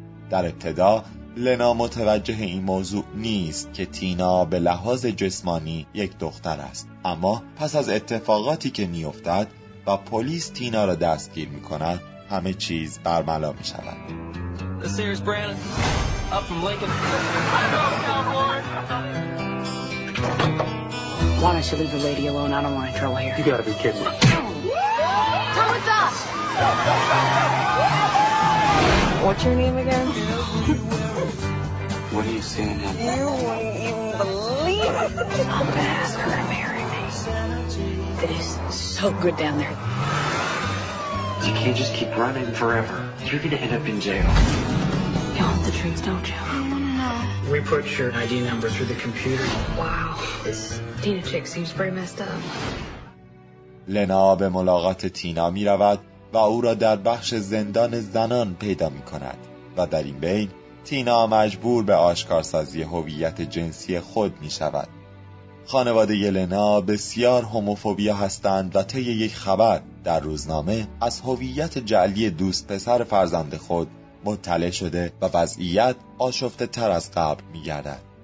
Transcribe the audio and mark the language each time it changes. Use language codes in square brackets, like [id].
[fa] در ابتدا لنا متوجه این موضوع نیست که تینا به لحاظ جسمانی یک دختر است، اما پس از اتفاقاتی که می افتد و پلیس تینا را دستگیر می کند همه چیز برملا می شود. [en] Why don't you leave the lady alone? I don't want any trouble here. You gotta be kidding me. Come with us! What's your name again? What are you saying now? You wouldn't even believe it. I'm gonna ask her to marry me. It is so good down there. You can't just keep running forever. You're gonna end up in jail. You want the truth, don't you? We put your ID number through the computer. Wow, this Tina chick seems very messed up. [fa] لنا به ملاقات تینا می رود و او را در بخش زندان زنان پیدا می کند و در این بین تینا مجبور به آشکارسازی هویت جنسی خود می شود. خانواده ی لنا بسیار هوموفوبیا هستند و طی یک خبر در روزنامه از هویت جعلی دوست پسر فرزند خود مطلع شده و وضعیت آشفته تر از قبل می گردد.